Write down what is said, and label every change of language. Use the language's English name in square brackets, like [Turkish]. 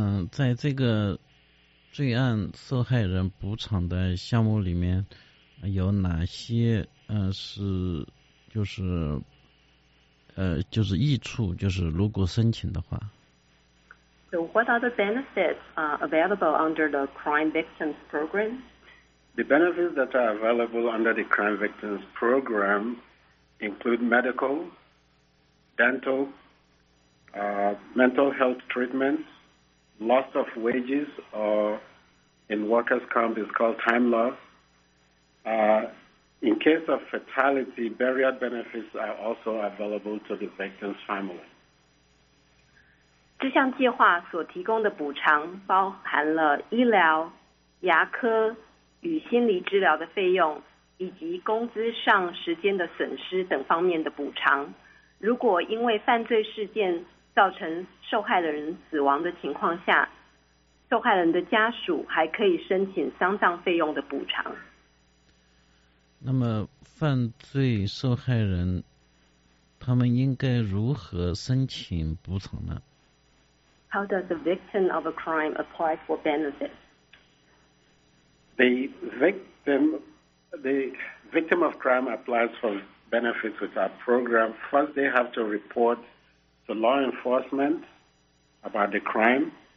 [Chinese] 在这个罪案受害人补偿的项目里面有哪些是就是益处，就是如果申请的话。 [English] So what are the benefits available under the Crime Victims Program? The benefits that are available under the Crime Victims Program include medical, dental, mental health treatments, loss of wages, or in workers' comp is called time loss. In case of fatality, burial benefits are also available to the victim's family. [Chinese] 这项计划所提供的补偿包含了医疗、牙科与心理治疗的费用，以及工资上时间的损失等方面的补偿。如果因为犯罪事件造成受害的人死亡的情况下，受害人的家属还可以申请丧葬费用的补偿。那么犯罪受害人他们应该如何申请补偿呢？ [English] How does the victim of a crime apply for benefits? The victim of crime applies for benefits with our program. First, they have to report to law enforcement about the crime.